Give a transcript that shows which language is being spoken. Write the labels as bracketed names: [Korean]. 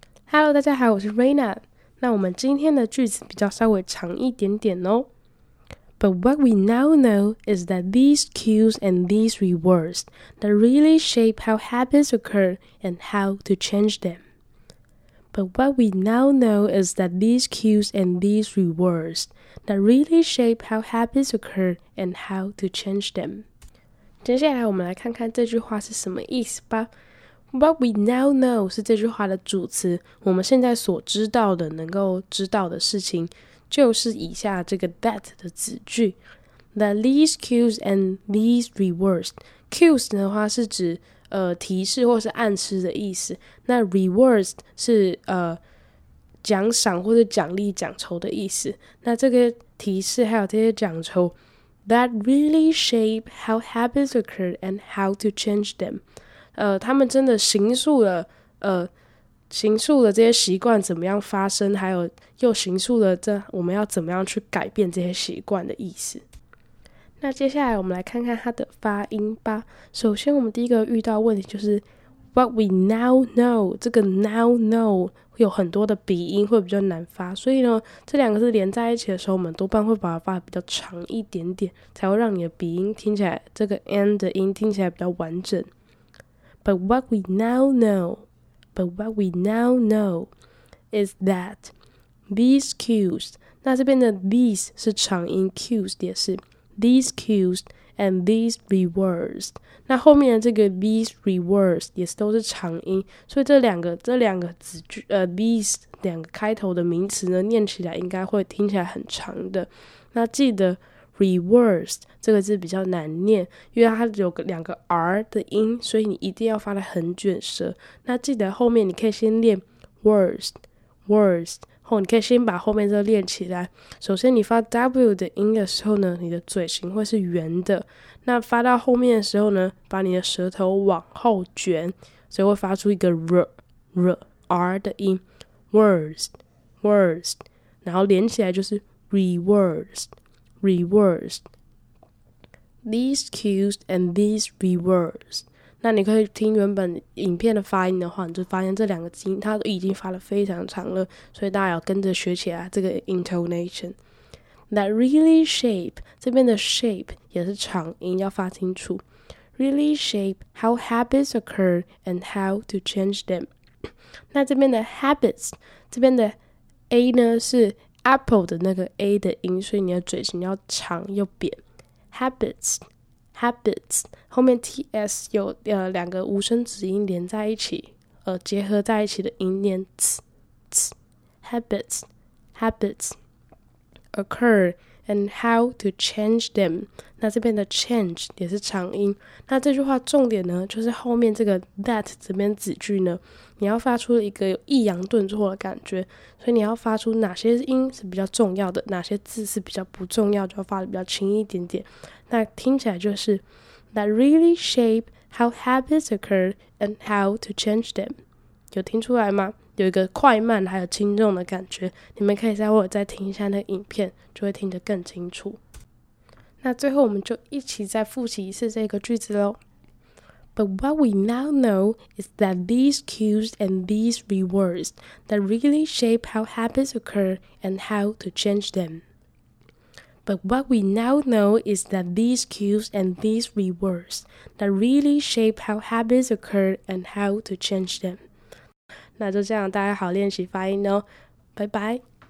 [Chinese] Hello， 大家好，我是 Raina。那我们今天的句子比较稍微长一点点哦。 [English] But what we now know is that these cues and these rewards that really shape how habits occur and how to change them. But what we now know is that these cues and these rewards that really shape how habits occur and how to change them. [Chinese] 接下来我们来看看这句话是什么意思吧。 [English] What we now know [Chinese] 是这句话的主词，我们现在所知道的、能够知道的事情，就是以下这个 that 的子句。 [English] That these cues and these rewards. [Chinese] Cues 的话是指提示或是暗示的意思，那 rewards 是奖赏或者奖励、奖酬的意思。那这个提示还有这些奖酬 [English] ，that really shape how habits occur and how to change them。 [Chinese] 他们真的形塑了这些习惯怎么样发生，还有又形塑了这我们要怎么样去改变这些习惯的意思。那接下来我们来看看它的发音吧。首先我们第一个遇到问题就是 [English] What we now know， [Chinese] 这个 now know 有很多的鼻音会比较难发，所以呢这两个字连在一起的时候，我们多半会把它发比较长一点点，才会让你的鼻音听起来，这个 and 的音听起来比较完整。 [English] But what we now know, but what we now know is that these cues, [Chinese] 那这边的 these 是长音 cues 也是 [English] these cues and these rewards, [Chinese] 那后面的这个 these rewards 也是都是长音，所以这两个子句these 两个开头的名词呢，念起来应该会听起来很长的。那记得Rewards 这个字比较难念，因为它有两个 R 的音，所以你一定要发得很卷舌。那记得后面你可以先练 [English] words words， [Chinese] 你可以先把后面这个练起来。首先你发 W 的音的时候呢，你的嘴型会是圆的，那发到后面的时候呢，把你的舌头往后卷，所以会发出一个 R 的音 [English] words words， [Chinese] 然后连起来就是 rewardsRewards. [English] These cues and these rewards. [Chinese] 那你可以听原本影片的发音的话，你就发现这两个音它已经发得非常长了，所以大家要跟着学起来这个 intonation. [English] That really shape, [Chinese] 这边的 shape 也是长音，要发清楚。 [English] Really shape how habits occur and how to change them. [Chinese] 那这边的 habits, 这边的 A 呢是Apple 的那个 A 的音，所以你的嘴型要长又扁。 Habits 后面 TS 有两个无声子音连在一起，结合在一起的音念 ts。 [English] Habits occur and how to change them。 [Chinese] 那这边的 change 也是长音。那这句话重点呢，就是后面这个 that 这边子句呢。你要发出一个有抑扬顿挫的感觉，所以你要发出哪些音是比较重要的，哪些字是比较不重要，就要发的比较轻一点点。那听起来就是 [English] That really shape how habits occur and how to change them. [Chinese] 有听出来吗？有一个快慢还有轻重的感觉，你们可以稍微再听一下那个影片，就会听得更清楚。那最后我们就一起再复习一次这个句子咯。 [English] But what we now know is that these cues and these rewards that really shape how habits occur and how to change them. But what we now know is that these cues and these rewards that really shape how habits occur and how to change them. [Chinese] 那就这样，大家好练习发音哦，拜拜。